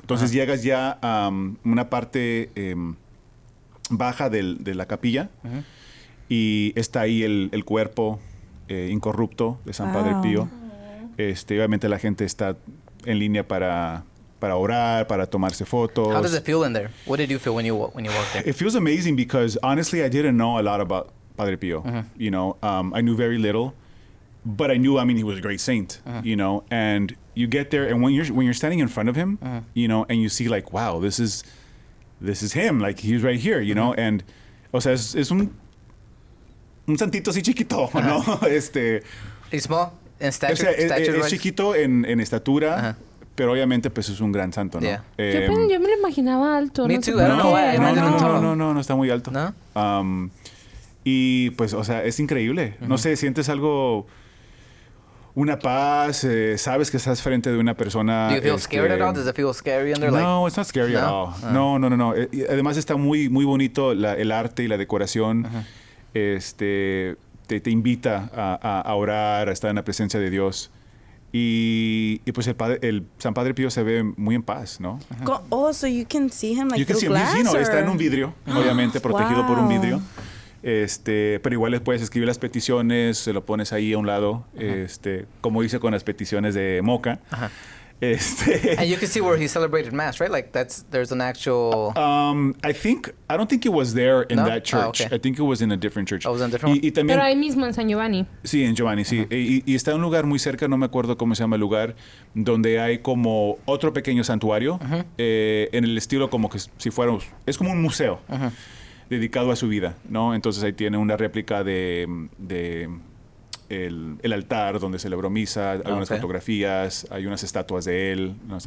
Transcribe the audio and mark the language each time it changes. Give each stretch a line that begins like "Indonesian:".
Spanish: Entonces llegas ya a una parte baja de la capilla y está ahí el cuerpo incorrupto de San Padre Pío. Obviamente la gente está en línea para orar, para tomarse fotos.
English: How does it feel in there? What did you feel when you walked there? It feels amazing because honestly, I didn't know a lot about Padre Pio. Uh-huh. You know, I knew very little, but I knew, I mean, he was a great saint, you know, and you get there and when you're standing in front of him, you know, and you see like, wow, this is him. Like he's right here, you know, and
Spanish: o sea, es un santito así chiquito, ¿no?
English: He's small in stature.
Spanish: Es chiquito en estatura. Uh-huh. Pero obviamente, pues, es un gran santo, ¿no? Yeah. Yo me lo imaginaba alto.
English: Me
Spanish: no
English: too.
Spanish: No, no, no, no, no, no, no, no está muy alto. ¿No? Y, pues, o sea, es increíble. Uh-huh. No sé, sientes algo... Una paz, sabes que estás frente de una persona...
English: Do you feel scared at all? Does it feel scary? No, like, it's not scary at all. No, no, no, no.
Spanish: Además, está muy, muy bonito el arte y la decoración. Uh-huh. Te invita a orar, a estar en la presencia de Dios. Y pues el San Padre Pío se ve muy en paz, ¿no? Uh-huh.
English: Oh, so you can see him, like, you can see him glass,
Spanish: vecino. Está en un vidrio, obviamente, protegido por un vidrio. Pero igual les puedes escribir las peticiones, se lo pones ahí a un lado, como hice con las peticiones de Moca.
English: And you can see where he celebrated Mass, right? Like, that's, there's an actual... I don't think it was there in that church. Oh, okay. I think it was in a different church. Oh, was in a different one?
Spanish: Pero ahí mismo, en San Giovanni. Sí, en Giovanni, sí. Uh-huh. Y está en un lugar muy cerca, no me acuerdo cómo se llama el lugar, donde hay como otro pequeño santuario, en el estilo como que si fuera... Es como un museo. Uh-huh. Dedicado a su vida, ¿no? Entonces ahí tiene una réplica de el altar donde celebró misa, algunas fotografías, hay unas estatuas de él, ¿no?